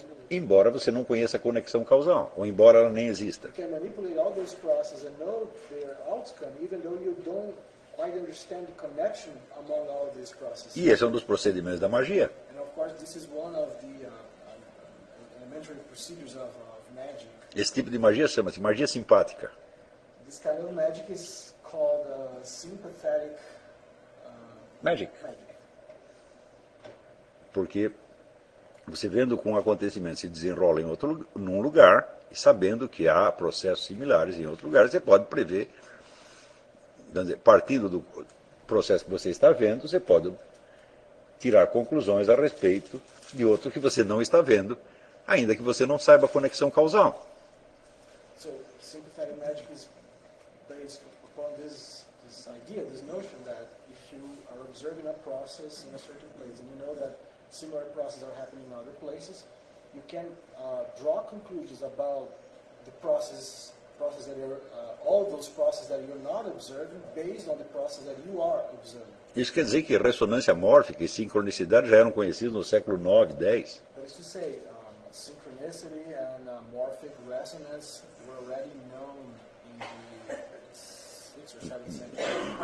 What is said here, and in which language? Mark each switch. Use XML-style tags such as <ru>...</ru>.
<pt>Embora você não conheça a conexão causal, ou embora ela nem exista.</pt> <en>You can manipulate all those processes and know their outcome, even though you don't quite understand the connection among all of these processes.</en> <pt>E esse é um dos procedimentos da magia.</pt> <en>And of course, this is one of the elementary procedures of magic.</en> <pt>Esse tipo de magia chama-se magia simpática.</pt> <en>This kind of magic is called sympathetic magic.</en> <pt>Porque você vendo como um acontecimento se desenrola em outro, num lugar, e sabendo que há processos similares em outro lugar, você pode prever, partindo do processo que você está vendo, você pode tirar conclusões a respeito de outro que você não está vendo, ainda que você não saiba a conexão causal.</pt> <en>So, sympathetic magic is based upon this idea, this notion that if you are observing a process in a certain place, and you know that similar processes are happening in other places, you can draw conclusions about the process that you're, all those processes that you're not observing based on the process that you are observing.</en> <pt>Isso quer dizer que ressonância mórfica e sincronicidade já eram conhecidos no século 9, 10.</pt> <en>That is to say, synchronicity and morphic resonance were already known in the 6th or 7th century.</en>